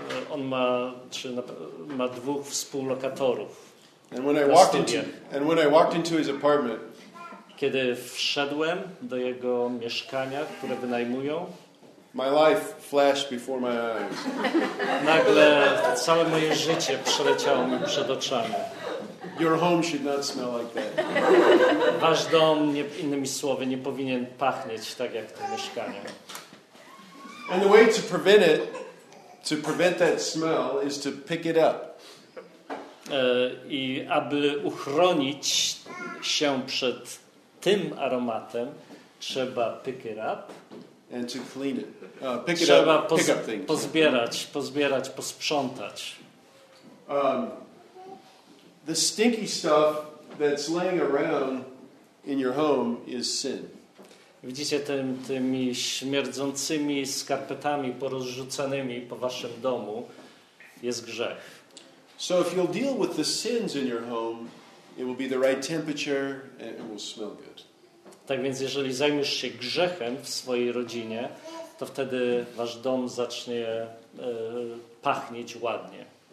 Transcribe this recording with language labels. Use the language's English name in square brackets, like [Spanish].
[Polish] On ma, czy ma dwóch współlokatorów. [English] And when I walked into his apartment, [Polish] kiedy wszedłem do jego mieszkania, które wynajmują, [English] my life flashed before my eyes. [Polish] Nagle całe moje życie przeleciało mi przed oczami. [English] Your home should not smell like that. [Polish] Wasz dom, innymi słowy, nie powinien pachnieć tak jak to mieszkanie. [English] And the way to prevent it, to prevent that smell, is to pick it up. [Polish] I aby uchronić się przed tym aromatem, trzeba [English] pick it up. And to clean it. Pick it [Polish] trzeba [English] up, pick up things. [Polish] Pozbierać, posprzątać. [English] The stinky stuff that's laying around in your home is sin. [Polish] Widzicie tymi śmierdzącymi skarpetami porozrzucanymi po waszym domu, jest grzech. [English] So if you'll deal with the sins in your home, it will be the right temperature and it will smell good. [Polish] Tak więc jeżeli zajmiesz się grzechem w swojej rodzinie, to wtedy wasz dom zacznie pachnieć ładnie.